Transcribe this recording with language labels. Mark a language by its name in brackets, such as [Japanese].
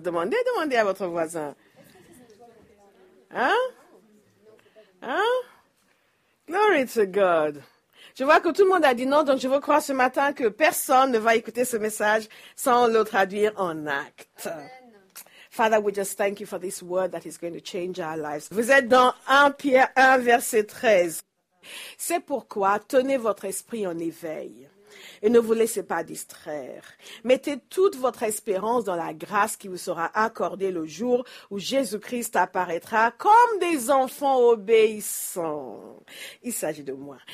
[French] Demandez à votre voisin. Hein? [English] Glory to God. [French] Je vois que tout le monde a dit non, donc je veux croire ce matin que personne ne va écouter ce message sans le traduire en acte. Amen. [English] Father, we just thank you for this word that is going to change our lives. [French] Vous êtes dans 1 Pierre 1, verset 13. C'est pourquoi tenez votre esprit en éveil et ne vous laissez pas distraire. Mettez toute votre espérance dans la grâce qui vous sera accordée le jour où Jésus-Christ apparaîtra comme des enfants obéissants. Il s'agit de moi.